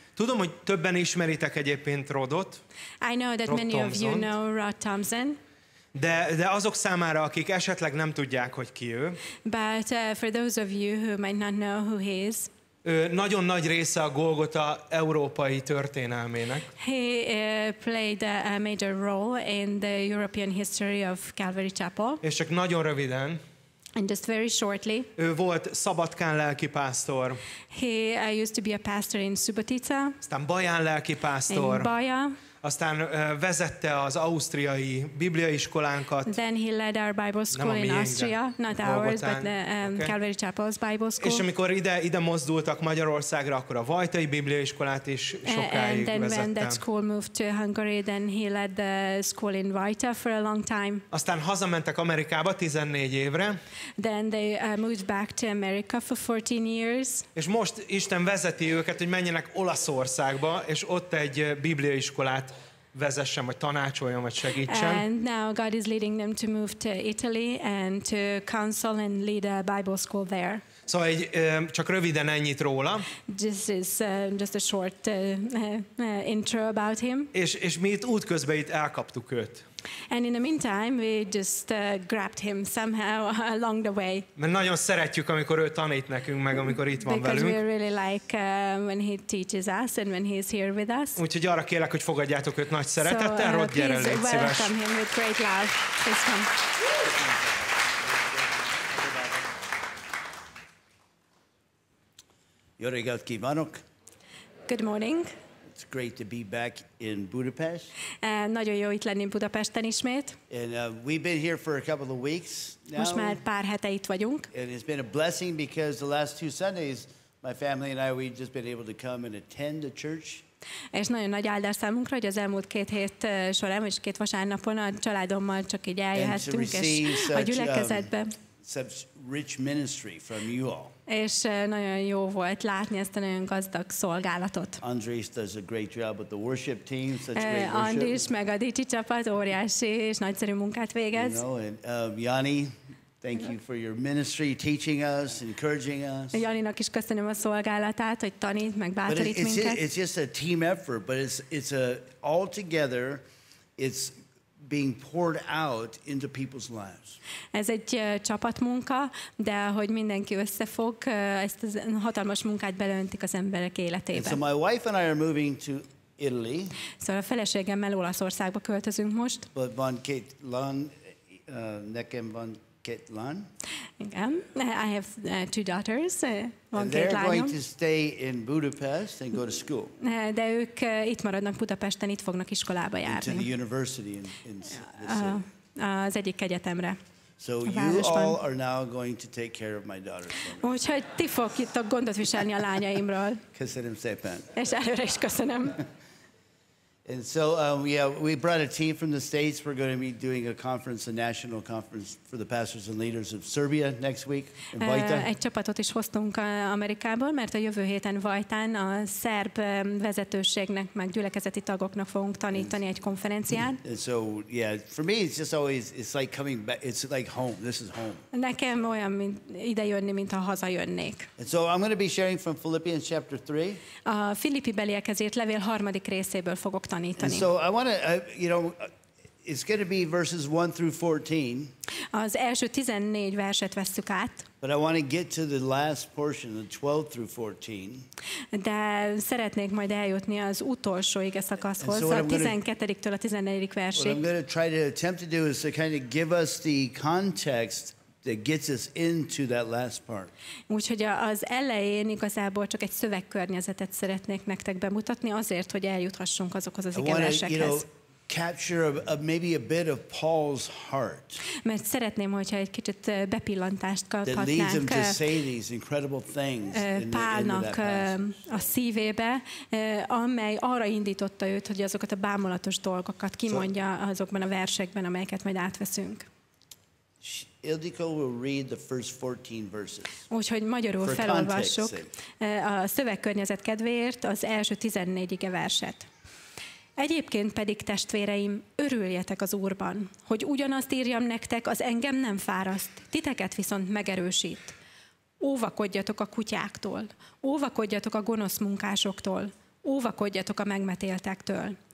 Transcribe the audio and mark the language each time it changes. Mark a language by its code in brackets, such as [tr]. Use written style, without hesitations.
[hu] Tudom, hogy többen ismeritek egyébként Rodot. [en] I know that many of you know Rod Thompson. [hu] De azok számára, akik esetleg nem tudják, hogy ki ő. [en] But for those of you who might not know who he is. [hu] Ő nagyon nagy része a Golgota európai történelmének. [en] He played a major role in the European history of Calvary Chapel. [hu] És csak nagyon röviden. [en] And just very shortly. [hu] Ő volt Szabadkán lelki pásztor. [en] He used to be a pastor in Subotica. [hu] Aztán Baján lelki pásztor. [en] In Baja. [hu] Aztán vezette az ausztriai bibliaiskolánkat. [en] Then he led our Bible school in Austria, not ours, but the Calvary Chapel's Bible school. [hu] És amikor ide mozdultak Magyarországra, akkor a Vajtai bibliaiskolát is sokáig vezette. [en] And then when that school moved to Hungary, then he led the school in Vajta for a long time. [hu] Aztán hazamentek Amerikába 14 évre. [en] Then they moved back to America for 14 years. [hu] És most Isten vezeti őket, hogy menjenek Olaszországba, és ott egy bibliaiskolát vezessem, vagy tanácsoljam, vagy segítsem. [en] And now God is leading them to move to Italy and to counsel and lead a Bible school there. [hu] Szóval egy, csak röviden ennyit róla. [en] This is just a short intro about him. [hu] És mi itt útközben itt elkaptuk őt. [en] And in the meantime, we just grabbed him somehow along the way. [hu] Mert nagyon szeretjük, amikor ő tanít nekünk, meg amikor itt van [en] because [hu] velünk. [en] Because we really like when he teaches us and when he's here with us. [hu] Úgyhogy arra kérlek, hogy fogadjátok őt nagy szeretettel. [en] So, [hu] Rod, gyere, légy szíves. [en] Please welcome him with great love. Please come. [hu] Jó reggelt kívánok. [en] Good morning. It's great to be back in Budapest. [hu] Nagyon jó itt lenni Budapesten ismét. [en] And we've been here for a couple of weeks now. [hu] Most már pár hete itt vagyunk. [en] And it's been a blessing because the last two Sundays, my family and I, we've just been able to come and attend the church. [hu] És nagyon nagy áldás számunkra, hogy az elmúlt két hét során, vagyis két vasárnapon a családommal csak így eljöhettünk és a gyülekezetbe. [en] Such rich ministry from you all. [hu] És nagyon jó volt látni ezt a nagyon gazdag szolgálatot. [en] Andrés does a great job with the worship team, such great worship. [hu] Andrés meg a DT csapat óriási és nagyszerű munkát végez. [en] You know, and Jani, thank you for your ministry, teaching us, encouraging us. [hu] Janinak is köszönöm a szolgálatát, hogy tanít, meg bátorít minket. [en] It's just a team effort, but it's a all together, it's being poured out into people's lives. [hu] Ez egy csapatmunka, de hogy mindenki összefog, ezt a hatalmas munkát belöntik az emberek életébe. [en] And so my wife and I are moving to Italy. [hu] Szóval a feleségemmel Olaszországba költözünk most. [en] But [hu] van két lány, nekem van két lány. [en] I have two daughters. And they're going to stay in Budapest and go to school. [hu] De ők itt maradnak Budapesten, itt fognak iskolába járni. [en] Into the university in the city. [hu] Az egyik egyetemre. [en] So you all are now going to take care of my daughters. [hu] Úgyhogy ti fogtok gondot viselni a lányaimról. Köszönöm szépen. És előre is köszönöm. [en] And so, yeah, we brought a team from the States. We're going to be doing a conference, a national conference for the pastors and leaders of Serbia next week in Vajta. [hu] Egy csapatot is hoztunk Amerikából, mert a jövő héten Vajtán a szerb vezetőségnek, meg gyülekezeti tagoknak fogunk tanítani egy konferencián. [en] And so, yeah, for me, it's just always, it's like coming back, it's like home, this is home. [hu] Nekem olyan, mint idejönni, mint ha hazajönnék. [en] And so I'm going to be sharing from Philippians chapter 3. [hu] A Filippi beliekhez írt levél harmadik részéből fogok tanítani. [en] And so I want to, you know, it's going to be verses 1 through 14. [hu] Az első 14 verset vesszük át. [en] But I want to get to the last portion, the 12 through 14. [hu] De szeretnék majd eljutni az utolsó igeszakaszhoz, a 12-től a 14. versig. [en] What I'm going to try to attempt to do is to kind of give us the context that gets us into that last part. [hu] Úgyhogy az elején igazából csak egy szövegkörnyezetet szeretnék nektek bemutatni, azért, hogy eljuthassunk azokhoz az igeversekhez. [en] Capture maybe a bit of Paul's heart. [hu] Mert szeretném, hogyha egy kicsit bepillantást kaphatnánk. [en] That leads him to say these incredible things [hu] Pálnak a szívébe, amely arra indította őt, hogy azokat a bámulatos dolgokat kimondja azokban a versekben, amelyeket majd átveszünk. [en] Ildikó will read the first 14 verses. [hu] Úgyhogy magyarul felolvassuk a szövegkörnyezet kedvéért az első 14 ige verset. Egyébként pedig, testvéreim, örüljetek az Úrban, hogy ugyanazt írjam nektek, az engem nem fáraszt, titeket viszont megerősít. Óvakodjatok a kutyáktól, óvakodjatok a gonosz munkásoktól, óvakodjatok a megmetéltektől.